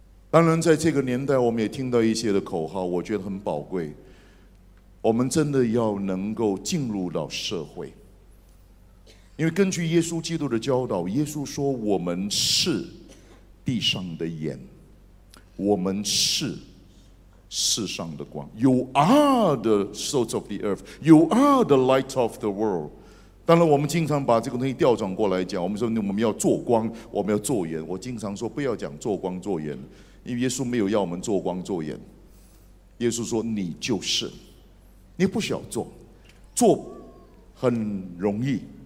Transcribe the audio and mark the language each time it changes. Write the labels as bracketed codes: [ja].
[zh] 当然在这个年代我们也听到一些的口号，我觉得很宝贵，我们真的要能够进入到社会，因为根据耶稣基督的教导，耶稣说我们是地上的盐，我们是世上的光。 [en] You are the salt of the earth, You are the light of the world。 [zh] 当然我们经常把这个东西调转过来讲，我们说我们要做光，我们要做盐。我经常说不要讲做光做盐，因为耶稣没有要我们做光做盐。耶稣说你就是，你不需要做，做很容易。